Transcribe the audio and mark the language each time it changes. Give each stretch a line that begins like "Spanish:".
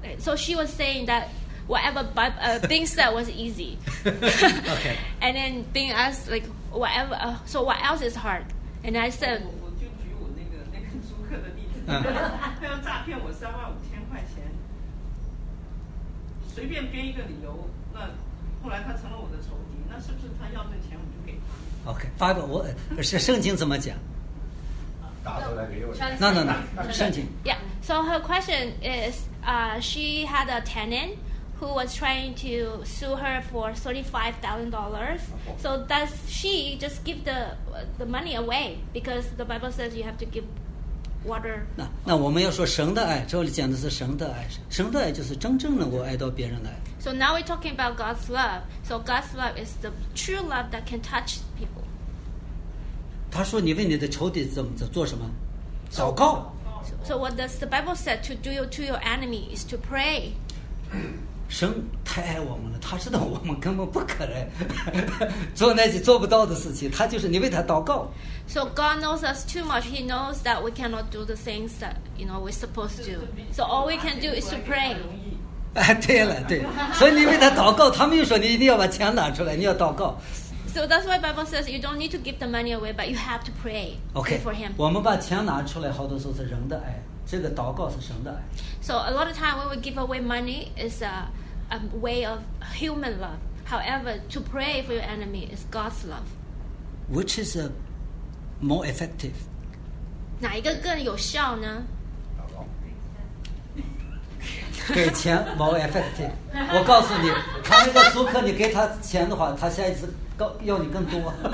English: So she was saying that whatever being said was easy. Okay. And then being asked like whatever, so what else is hard? And I said,
Chinese: 我就举我那个租客的例子，他要诈骗我35000块钱。随便编一个理由，那后来他成了我的仇敌，那是不是他要这钱我就给他？OK， 发个我不是圣经怎么讲？
English: No.
Chinese: 圣经。
English: Yeah. So her question is, she had a tenant who was trying to sue her for $35,000. So does she just give the money away? Because the Bible says you have to give. Water.
Chinese: 那我们要说神的爱，这里讲的是神的爱，神的爱就是真正能够爱到别人来。
English: So now we're talking about God's love. So God's love is the true love that can touch people.
Chinese: 他说：“你为你的仇敌怎么做什么？祷告。”
English: So what does the Bible say to do to your enemy is to pray.
Chinese: 神太爱我们了，他知道我们根本不可能做那些做不到的事情，他就是你为他祷告。
English: So God knows us too much. He knows that we cannot do the things that you know we're supposed to do. So all we can do is to pray.
Chinese: 对了，对。所以你为他祷告，他们又说你一定要把钱拿出来，你要祷告。
English: So that's why Bible says you don't need to give the money away, but you have to pray for him. Okay.
Chinese: 我们把钱拿出来，好多时候是人的爱，这个祷告是神的爱。
English: So a lot of time when we give away money is a way of human love. However, to pray for your enemy is God's love. Which is a more effective.
Chinese: 哪一个更有效呢？给钱
English: more effective.
Chinese: 我告诉你，他那个租客，你给他钱的话，他下一次要你更多。